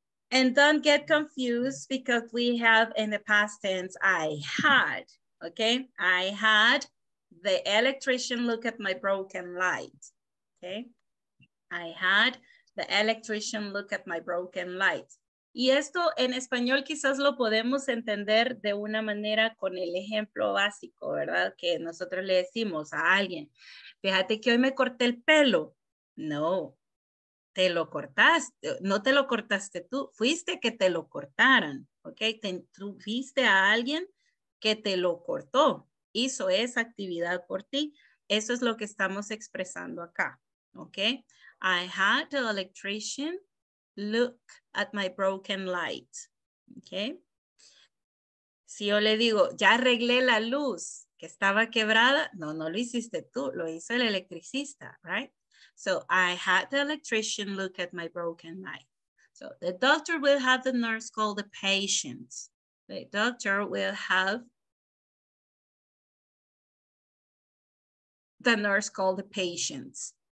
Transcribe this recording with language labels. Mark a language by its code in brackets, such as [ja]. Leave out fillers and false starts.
[en] And don't get confused because we have in the past tense, I had, okay? I had the electrician look at my broken light, okay? I had the electrician look at my broken light. [es] Y esto en español quizás lo podemos entender de una manera con el ejemplo básico, ¿verdad? Que nosotros le decimos a alguien, fíjate que hoy me corté el pelo. No, te lo cortaste, no te lo cortaste tú, fuiste que te lo cortaran, ¿ok? Tú fuiste a alguien que te lo cortó, hizo esa actividad por ti. Eso es lo que estamos expresando acá, ¿ok? [en] I had the electrician look at my broken light. Okay. [es] Si yo le digo, ya arreglé la luz que estaba quebrada, no, no lo hiciste tú, lo hizo el electricista, right? [en] So I had the electrician look at my broken light. So the doctor will have the nurse call the patient. The doctor will have the nurse call the patients.